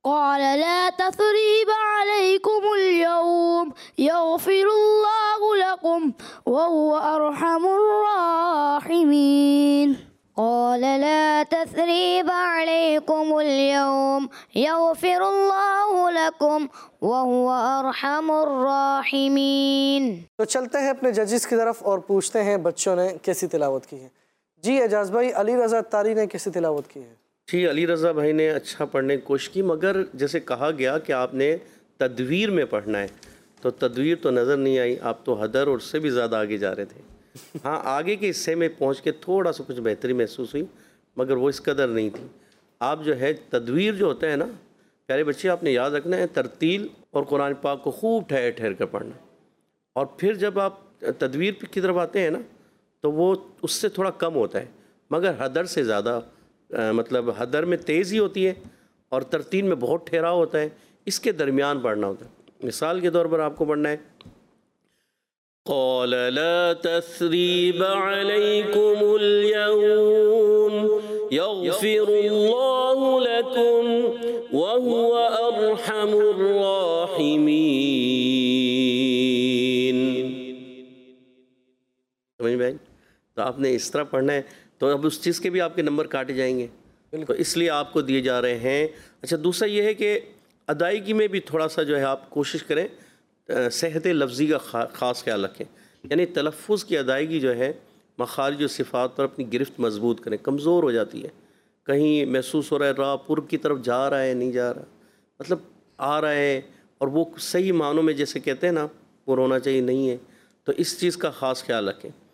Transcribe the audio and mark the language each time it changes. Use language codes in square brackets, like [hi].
[ar] قال لا تثريب عليكم اليوم يغفر الله لكم وهو أرحم الراحمين. قال لا تثريب عليكم اليوم يغفر الله لكم وهو أرحم الراحمين. [ur] تو چلتے ہیں اپنے ججز کی طرف اور پوچھتے ہیں بچوں نے کیسی تلاوت کی ہے. جی اعجاز بھائی, علی رضا اتاری نے کیسی تلاوت کی ہے؟ جی علی رضا بھائی نے اچھا پڑھنے کی کوشش کی, مگر جیسے کہا گیا کہ آپ نے تدویر میں پڑھنا ہے, تو تدویر تو نظر نہیں آئی, آپ تو حدر اور سے بھی زیادہ آگے جا رہے تھے. ہاں آگے کے حصے میں پہنچ کے تھوڑا سا کچھ بہتری محسوس ہوئی, مگر وہ اس قدر نہیں تھی. آپ جو ہے تدویر جو ہوتا ہے نا پیارے بچے, آپ نے یاد رکھنا ہے ترتیل اور قرآن پاک کو خوب ٹھہر ٹھہر کر پڑھنا, اور پھر جب آپ تدویر کی طرف آتے ہیں نا تو وہ اس سے تھوڑا کم ہوتا ہے, مگر حدر سے زیادہ, مطلب حدر میں تیزی ہوتی ہے اور ترتیل میں بہت ٹھہراؤ ہوتا ہے, اس کے درمیان پڑھنا ہوتا ہے. مثال کے طور پر آپ کو پڑھنا ہے [ar] قال لا تثريب عليكم اليوم يغفر الله لكم وهو أرحم الراحمين. [ur] سمجھ بھائی تو آپ نے اس طرح پڑھنا ہے تو اب اس چیز کے بھی آپ کے نمبر کاٹے جائیں گے تو اس لیے آپ کو دیے جا رہے ہیں. اچھا دوسرا یہ ہے کہ ادائیگی میں بھی تھوڑا سا جو ہے آپ کوشش کریں صحت لفظی کا خاص خیال رکھیں, یعنی تلفظ کی ادائیگی جو ہے مخارج و صفات پر اپنی گرفت مضبوط کریں, کمزور ہو جاتی ہے, کہیں محسوس ہو رہا ہے را پر کی طرف جا رہا ہے نہیں جا رہا, مطلب آ رہا ہے اور وہ صحیح معنوں میں جیسے کہتے ہیں نا وہ رونا چاہیے نہیں ہے, تو اس چیز کا خاص خیال رکھیں.